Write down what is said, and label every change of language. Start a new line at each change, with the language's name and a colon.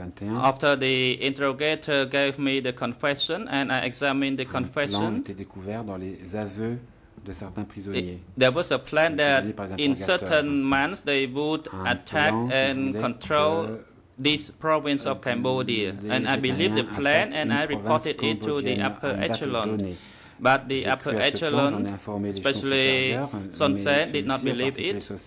English: After the interrogator gave me the confession and I examined the confession,
French: plan était découvert dans les aveux de certains prisonniers.
English: There was a plan that in certain months they would attack and control this province of Cambodia, and I believe the plan, and I reported it to the upper echelon. But the upper echelon, especially Son Sen, did not believe it.